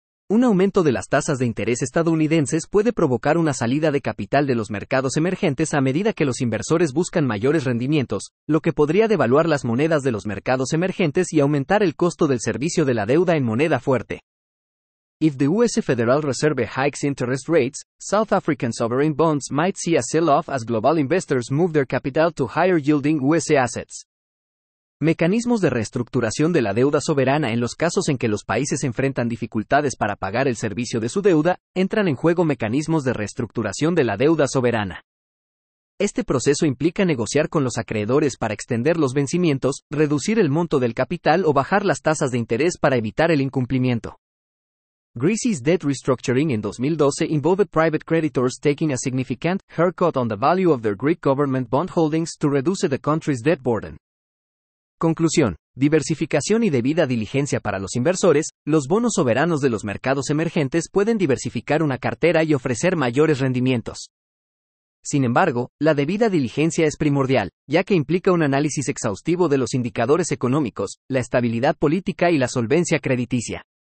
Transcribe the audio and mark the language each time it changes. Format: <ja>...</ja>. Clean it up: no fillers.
<es>Un aumento de las tasas de interés estadounidenses puede provocar una salida de capital de los mercados emergentes a medida que los inversores buscan mayores rendimientos, lo que podría devaluar las monedas de los mercados emergentes y aumentar el costo del servicio de la deuda en moneda fuerte.</es> <en>If the US Federal Reserve hikes interest rates, South African sovereign bonds might see a sell-off as global investors move their capital to higher-yielding US assets.</en> <es>Mecanismos de reestructuración de la deuda soberana en los casos en que los países enfrentan dificultades para pagar el servicio de su deuda, entran en juego mecanismos de reestructuración de la deuda soberana. Este proceso implica negociar con los acreedores para extender los vencimientos, reducir el monto del capital o bajar las tasas de interés para evitar el incumplimiento.</es> <en>Greece's debt restructuring in 2012 involved private creditors taking a significant haircut on the value of their Greek government bond holdings to reduce the country's debt burden.</en> <es>Conclusión. Diversificación y debida diligencia para los inversores, los bonos soberanos de los mercados emergentes pueden diversificar una cartera y ofrecer mayores rendimientos. Sin embargo, la debida diligencia es primordial, ya que implica un análisis exhaustivo de los indicadores económicos, la estabilidad política y la solvencia crediticia.</es>